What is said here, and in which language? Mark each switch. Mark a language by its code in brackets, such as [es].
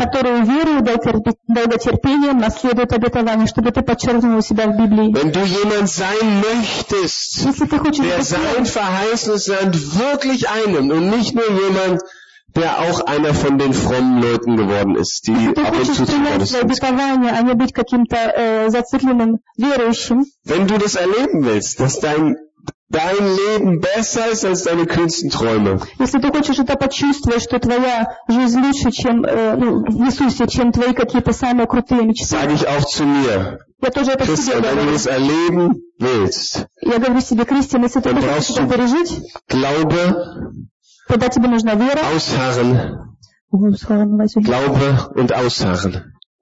[de] Wenn du jemand sein möchtest, der sein verheißenes Land wirklich einnimmt und nicht nur jemand, der auch einer von den frommen Leuten geworden ist, die ab und zu zuhören. Wenn du das erleben willst, dass dein Leben besser ist als deine kühnsten Träume. [ru] Если ты хочешь это почувствовать, что твоя жизнь лучше, чем в Иисусе, чем твои какие-то самые крутые мечты. [de] Sage ich auch zu mir. [ru] Я тоже это Christian, себе говорю. [de] Wenn du es erleben willst, [ru] я говорю себе, Кристиан, если ты хочешь это пережить, [de] Glaube, [ru] тогда тебе нужна вера, [de] ausharren, Glaube und ausharren.